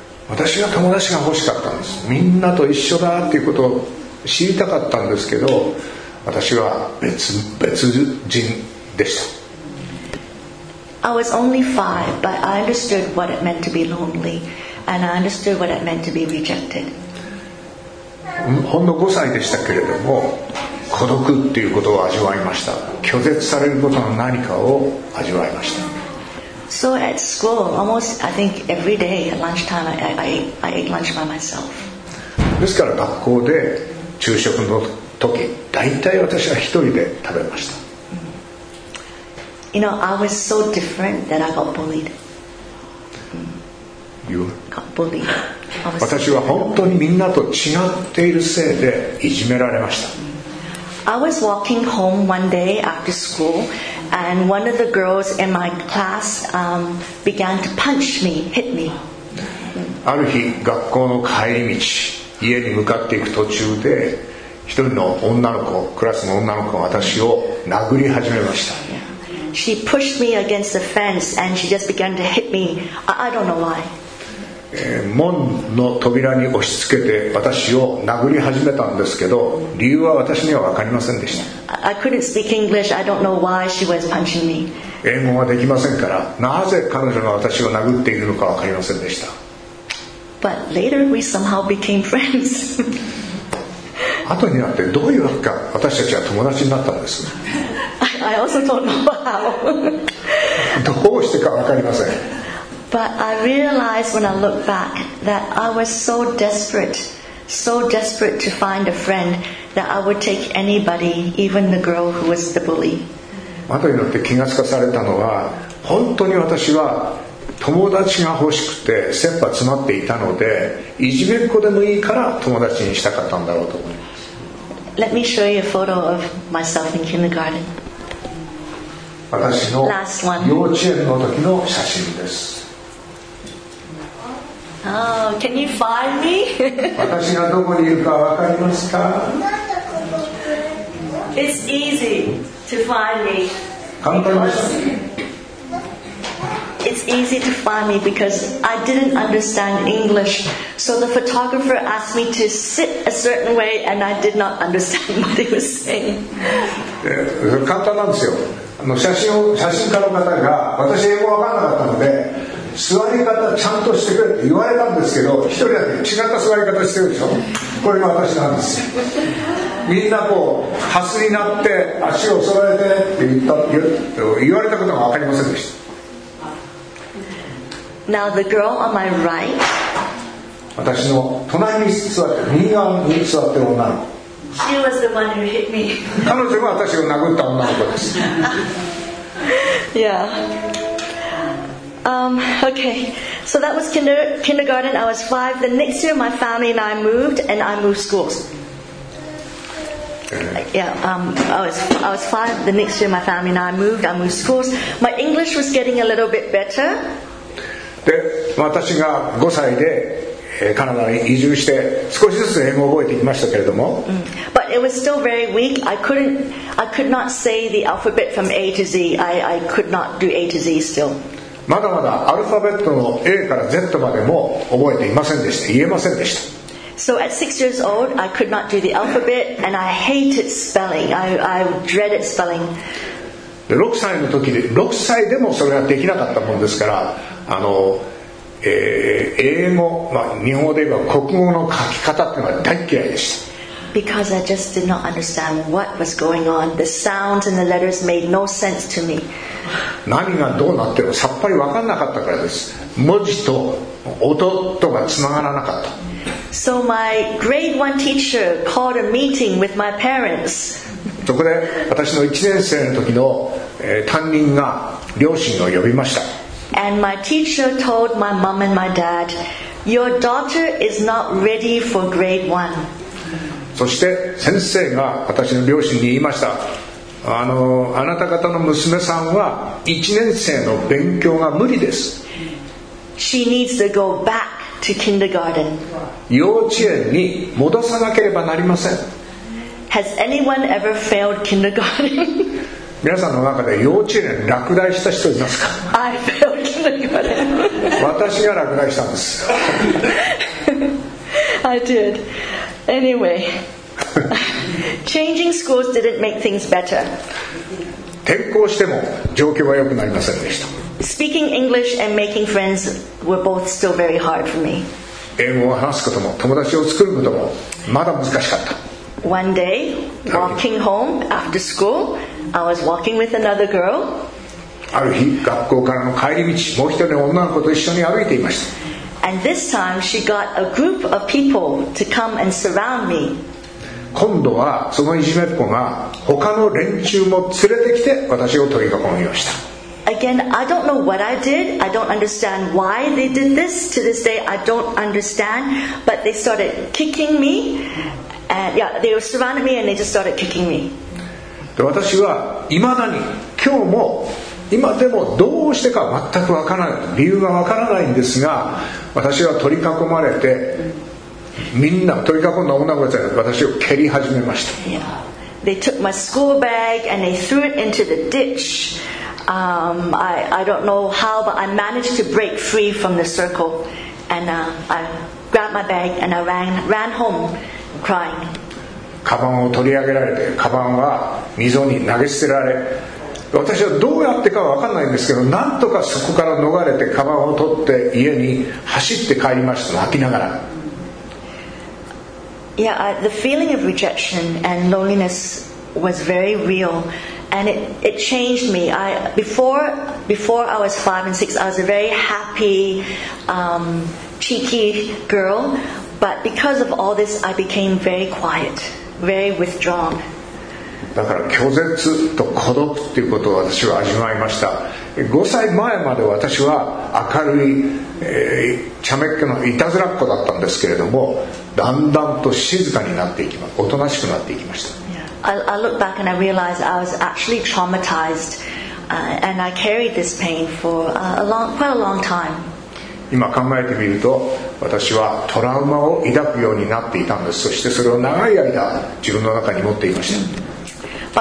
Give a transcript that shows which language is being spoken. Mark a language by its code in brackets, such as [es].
[ja] 私は友達が欲しかったんです。みんなと一緒だっていうことを知りたかったんですけど、私は別人でした。 [en] I was only five, but I understood what it meant to be lonely. And I understood what it meant to be rejected. [ja] ほんの5歳でしたけれども、孤独っていうことを味わいました。拒絶されることの何かを味わいました。 [en] So at school, almost I think every day at lunchtime, I ate lunch by myself. [ja] ですから学校で昼食の時、大体私は一人で食べました。 [en] You know, I was so different that I got bullied. You got bullied. I was so [ja] 私は本当にみんなと違っているせいでいじめられました。 [en] I was walking home one day after school, and one of the girls in my class began to punch me, hit me. [ja] ある日、学校の帰り道、家に向かっていく途中で、一人の女の子、クラスの女の子が私を殴り始めました。 [en] She pushed me against the fence and she just began to hit me. I don't know why. [ja] 門の扉に押し付けて私を殴り始めたんですけど、理由は私には分かりませんでした。 [en] I couldn't speak English. I don't know why she was punching me. [ja] 英語はできませんから、なぜ彼女が私を殴っているのか分かりませんでした。 [en] But later we somehow became friends. [ja] 後になってどういうわけか私たちは友達になったんです。 [en] I also don't know how. [ja] どうしてか分かりません。 [en] But I realized when I look back that I was so desperate to find a friend that I would take anybody, even the girl who was the bully. [ja] 後になって気がつかされたのは、本当に私は友達が欲しくて切羽詰まっていたので、いじめっ子でもいいから友達にしたかったんだろうと思います。 [en] Let me show you a photo of myself in kindergarten. [ja] 私の幼稚園の時の写真です。 [en] Oh, can you find me? [ja] 私がどこにいるか分かりますか? [en] It's easy to find me. [ja] 簡単でした。 [en] It's easy to find me because I didn't understand English. So the photographer asked me to sit a certain way and I did not understand what he was saying. [ja] 簡単なんですよ。写真家の方が、私英語わかんなかったので、座り方ちゃんとしてくれって言われたんですけど、一人だけ違った座り方してるでしょ。これが私なんですよ。みんなこう、ハスになって足を揃えてって言われたことがわかりませんでした。 [en] Now the girl on my right. [ja] 私の隣に座って右側に座っている女の子。 [en] She was the one who hit me. [ja] 彼女が私を殴った女の子です。 [en] Yeah. Okay. So that was kindergarten. I was five. The next year, my family and I moved, and I moved schools. I was five. The next year, my family and I moved. I moved schools. My English was getting a little bit better. [ja] で私が5歳でカナダに移住して少しずつ英語を覚えてきましたけれども、 [en] But it was still very weak. I could not say the alphabet from A to Z. I could not do A to Z still. [ja] まだまだアルファベットの A から Z までも覚えていませんでした。言えませんでした。 [en] So at 6 years old, I could not do the alphabet, and I hated spelling. I dreaded spelling. [ja] で6歳の時で6歳でもそれができなかったもんですから。英語、日本語で言えば国語の書き方っていうのは大嫌いでした。 [en] Because I just did not understand what was going on. The sounds and the letters made no sense to me. [ja] 何がどうなってもさっぱり分かんなかったからです。文字と音とがつながらなかった。 [en] So my grade one teacher called a meeting with my parents. [ja] そこで私の1年生の時の、担任が両親を呼びました。 [en] And my teacher told my mom and my dad, "Your daughter is not ready for grade one." [ja] そして先生が私の両親に言いました。あなた方の娘さんは1年生の勉強が無理です。 [en] She needs to go back to kindergarten. [ja] 幼稚園に戻さなければなりません。 [en] Has anyone ever failed kindergarten? [ja] 皆さんの中で幼稚園落第した人いますか？ [en] I failed kindergarten. [ja] 私が落第したんです。 [en] I did. Anyway, changing schools didn't make things better. [ja] 転校しても状況は良くなりませんでした。 [en] Speaking English and making friends were both still very hard for me. [ja] 英語を話すことも友達を作ることもまだ難しかった。 [en] One day, walking home after school, I was walking with another girl. [ja] ある日、学校からの帰り道、もう一人の女の子と一緒に歩いていました。 [en] And this time she got a group of people to come and surround me. [ja] 今度はそのいじめっ子が他の連中も連れてきて私を取り囲みました。 [en] Again, I don't know what I did. I don't understand why they did this. To this day, I don't understand. But they started kicking me. And yeah, they surrounded me and they just started kicking me. [ja] で、私は未だに今日も今でもどうしてか全くわからない理由がわからないんですが、私は取り囲まれて、みんな取り囲んだ女の子たちが私を蹴り始めました。 [en] Yeah. They took my school bag and they threw it into the ditch. I don't know how, but I managed to break free from the circle and I grabbed my bag and I ran home crying. [ja] カバンを取り上げられて、カバンは溝に投げ捨てられ。私はどうやってかは分かんないんですけど、なんとかそこから逃れてカバンを取って家に走って帰りました、泣きながら。 [en] Yeah, the feeling of rejection and loneliness was very real, and it changed me. Before I was 5 and 6, I was a very happy, cheeky girl, but because of all this, I became very quiet, very withdrawn. [ja] だから拒絶と孤独っていうことを私は味わいました。 5歳前まで私は明るい、ちゃめっ気のいたずらっ子だったんですけれども、だんだんと静かになっていきました。おとなしくなっていきました。 [en] I look back and I realized I was actually traumatized, and I carried this pain for quite a long time. [ja] 今考えてみると、私はトラウマを抱くようになっていたんです。そしてそれを長い間自分の中に持っていました。